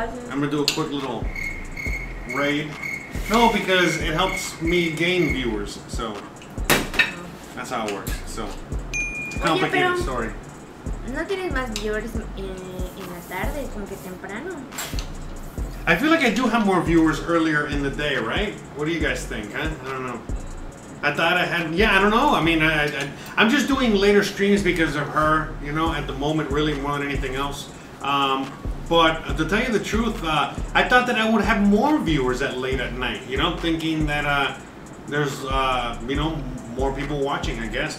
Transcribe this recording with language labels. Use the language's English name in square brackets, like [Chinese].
[English] I'm going to do a quick little raid. No, because it helps me gain viewers. So, that's how it works. So, complicated story. [Spanish] No tienes más viewers en la tarde, como que temprano. [English] I feel like I do have more viewers earlier in the day, right? What do you guys think, huh? I don't know. I thought I had, yeah, I don't know. I mean, I'm just doing later streams because of her, you know, at the moment, really more than anything else. But to tell you the truth, I thought that I would have more viewers at late at night, you know, thinking that there's you know, more people watching, I guess.